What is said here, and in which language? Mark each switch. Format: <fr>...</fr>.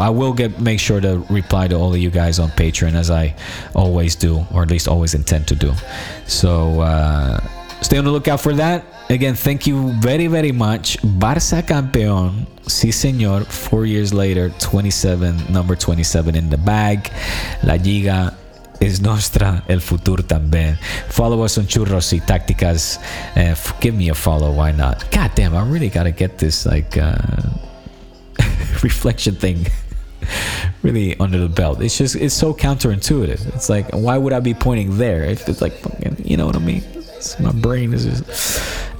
<en>I will make sure to reply to all of you guys on Patreon, as I always do, or at least always intend to do. So stay on the lookout for that. Again, thank you very, very much.</en> <es>Barça campeón. Sí, señor.</es> <en>4 years later, 27, number 27 in the bag.</en> <es>La Liga es nuestra, el futuro también.</es> <en>Follow us on Churros y Tácticas. Give me a follow, why not? God damn, I really gotta get this like reflection thing really under the belt. It's just, it's so counterintuitive. It's like, why would I be pointing there? It's like, fucking, you know what I mean? It's, my brain is just...</en>